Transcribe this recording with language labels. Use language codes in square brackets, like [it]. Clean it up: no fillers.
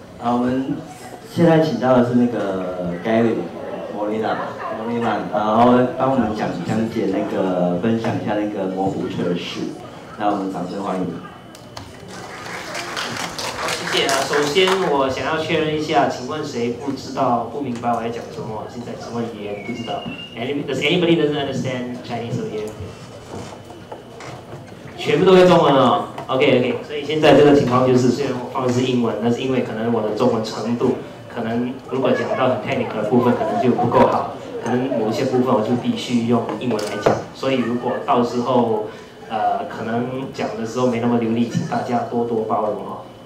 [zh] 好，我们现在请到的是那个 Gary 摩尼拉，摩尼拉，然后帮我们讲解那个分享一下那个摩虎车的事。那我们掌声欢迎。好，谢谢啊。首先，我想要确认一下，请问谁不知道、不明白我在讲什么？现在什么语言不知道 [en] ？Does anybody doesn't understand Chinese over here？ [zh] 全部都会中文哦 ，OK， 所以现在这个情况就是，虽然我放的是英文，但是因为可能我的中文程度，可能如果讲到很 technical 的部分，可能就不够好，可能某些部分我就必须用英文来讲。所以如果到时候，可能讲的时候没那么流利，请大家多多包容哦。